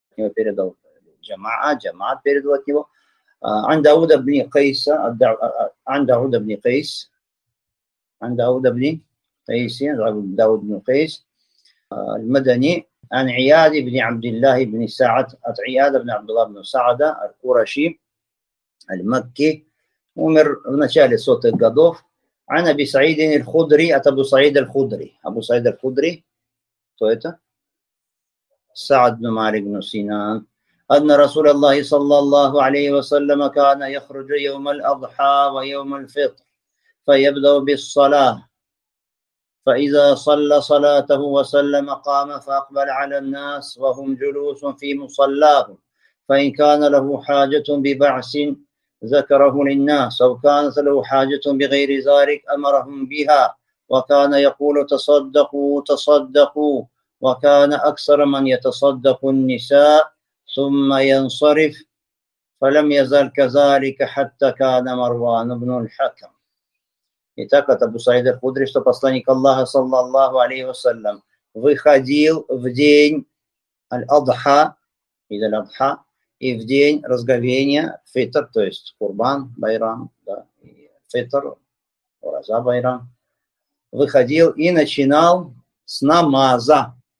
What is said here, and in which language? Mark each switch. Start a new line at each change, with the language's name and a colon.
Russian: от него передал джамаа, джамаат передал от него. Андауда бни Кайса, Андауда бни Кайс, Андауда бни Кайси, Андауда бни Кайс, Мадани, Аниад ибн Абдиллах ибн Саад, от Аниада ибн Абдиллах ибн Саада, Аль-Кураши, Аль-Макки, умер в начале сотых годов.
Arabic: عن أبي سعيد الخدري أتى أبو سعيد الخدري أبو سعيد الخدري
Russian: кто это
Arabic: سعد بن مالك بن سينان أن رسول الله صلى الله عليه وسلم كان يخرج يوم الأضحى ويوم الفطر فيبدأ بالصلاة فإذا صلى صلاته وسلم قام فأقبل على الناس وهم جلوس في مصلاهم فإن كان له حاجة ببعث ذكره للناس وكانت له حاجة بغير ذلك أمرهم بها وكان يقول تصدقوا تصدقوا وكان أكثر من يتصدق النساء ثم ينصرف فلم يزل كذلك حتى كان مروان بن الحكم.
Russian: Итак, это Абу Саид аль-Худри, что посланник Аллаха саллаллаху алейхи ва саллям выходил в день аль-Адха, из аль-Адха, и в день разговения фитр, то есть курбан, байрам, да, фитр, ураза, байрам, выходил и начинал с намаза.